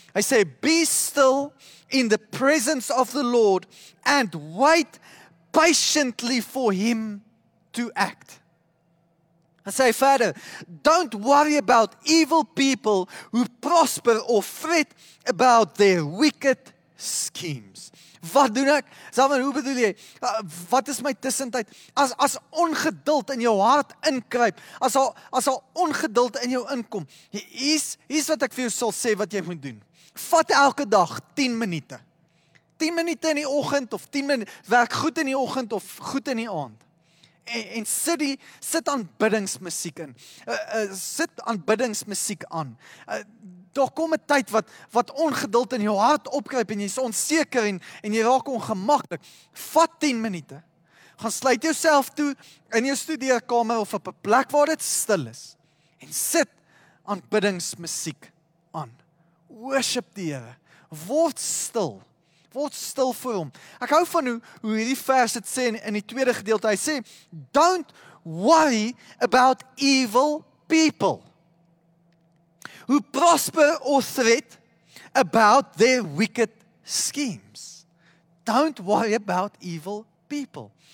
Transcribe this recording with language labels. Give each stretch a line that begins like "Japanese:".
Afrikaans: Hy sê,
English: be still in the presence of the Lord and wait patiently for him to act.
Afrikaans: Hy sê verder,
English: don't worry about evil people who prosper or fret about their wicked schemes.
Afrikaans: Wat doen ek? Salman, hoe bedoel jy? Wat is my tussentyd? As ongeduld in jou hart inkruip, as al ongeduld in jou inkom, hier is wat ek vir jou sal sê wat jy moet doen. Vat elke dag 10 minute. 10 minute in die oggend of 10 minute, werk goed in die oggend of goed in die aand. En sit aanbiddingsmusiek in. Sit aanbiddingsmusiek aan. Daar kom 'n tyd wat ongeduld in jou hart opkruip en jy is onseker en jy raak ongemaklik. Vat 10 minute. Gaan sluit jouself toe in jou studeerkamer of op 'n plek waar dit stil is. En sit aanbiddingsmusiek aan. Worship die Here. Word stil. Word stil vir hom. Ek hou van hoe hierdie vers het sê in die tweede gedeelte. Hy sê,
English: don't worry about evil people. Who prosper or threat about their wicked schemes. Don't worry about evil people.